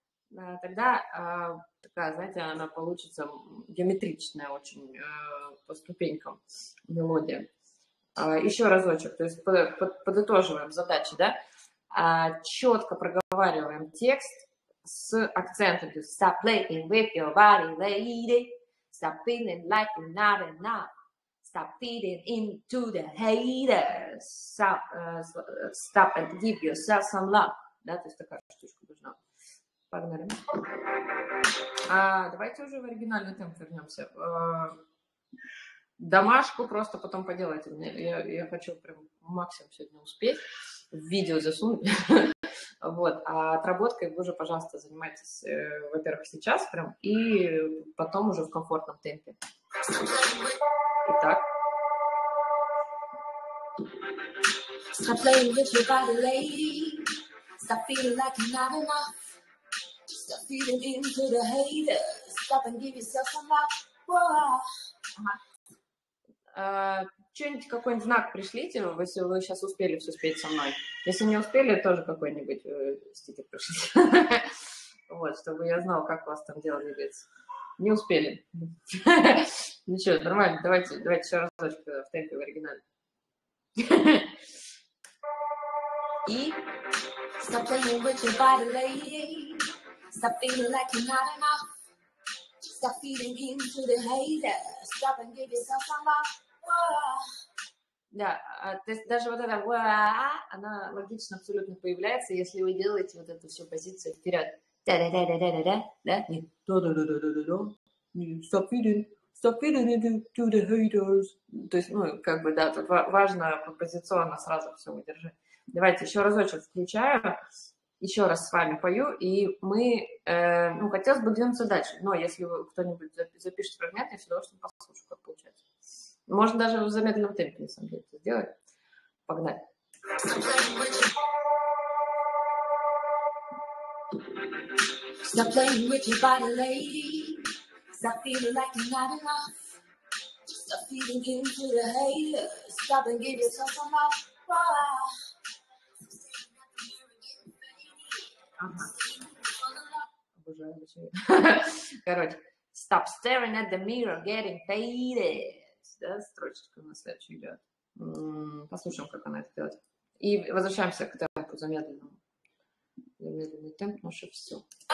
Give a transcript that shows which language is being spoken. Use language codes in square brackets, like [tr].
[ru] Да, тогда такая, знаете, она получится геометричная очень по ступенькам мелодия. Еще разочек, то есть подытоживаем задачи, да? Четко проговариваем текст с акцентом. [en] Stop playing with your body, lady. Stop feeling like you're not enough. Stop feeding into the haters. Stop, stop and give yourself some love. [ru] Да, то есть такая штучка нужна. Погнали. Давайте уже в оригинальный темп вернемся. Домашку просто потом поделайте. Я хочу прям максимум сегодня успеть. В видео засунуть. Вот. А отработкой вы уже, пожалуйста, занимайтесь, во-первых, сейчас прям, и потом уже в комфортном темпе. Итак. [en] Stop playing with your body, lady. Stop feeling like you're not enough. Stop feeling into the haters. Stop and give yourself some love. [ru] Что-нибудь, какой-нибудь знак пришлите, если вы сейчас успели все спеть со мной. Если не успели, тоже какой-нибудь стикер пришлите. Вот, чтобы я знала, как у вас там дело двигается. Не успели. Ничего, нормально, давайте еще разочек в темпе в оригинале. И... [en] Stop playing with your body, lady. Stop feeling like you're not enough. Stop feeding into the haters. Stop and give yourself some love. [ru] Да, то есть даже вот эта «ва-а-а», она логично абсолютно появляется, если вы делаете вот эту всю позицию вперед. Да-да-да-да-да-да, да? Нет. Да-да-да-да-да-да. [en] Stop feeding into the haters. [ru] То есть, ну, как бы, да, тут важно позиционно сразу все выдержать. Давайте еще разочек включаю, еще раз с вами пою, и мы, ну, хотелось бы двинуться дальше, но если кто-нибудь запишет фрагмент, я с удовольствием послушаю, как получается. Можно даже в замедленном темпе, на самом деле, это сделать. Погнали. [en] Stop playing with your body, lady. Stop feeling like you're not enough. Stop feeding into the haters. Stop and give yourself some love. Wow. [ru] Обожаю. Короче. [en] Stop staring at the mirror, getting faded. [ru] Да, строчечка на следующий идет. Послушаем, как она это делает. И возвращаемся к темпу замедленному. Замедленный темп, но еще все.